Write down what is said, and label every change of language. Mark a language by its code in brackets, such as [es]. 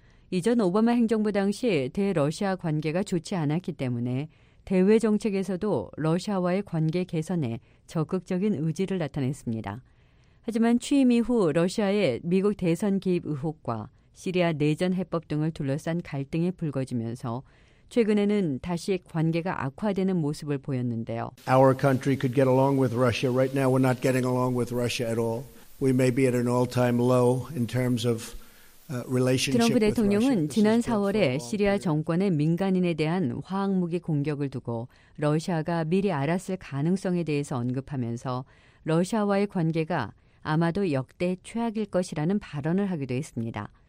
[ko] 이전 오바마 행정부 당시 대러시아 관계가 좋지 않았기 때문에 대외 정책에서도 러시아와의 관계 개선에 적극적인 의지를 나타냈습니다. 하지만 취임 이후 러시아의 미국 대선 개입 의혹과 시리아 내전 해법 등을 둘러싼 갈등이 불거지면서 최근에는 다시 관계가 악화되는 모습을 보였는데요. [en] Our country could get along with Russia. Right now we're not getting along with Russia at all. We may be at an all-time low in terms of relationship. [ko] 트럼프 대통령은 지난 4월에 시리아 정권의 민간인에 대한 화학무기 공격을 두고 러시아가 미리 알았을 가능성에 대해서 언급하면서 러시아와의 관계가 아마도 역대 최악일 것이라는 발언을 하기도 했습니다.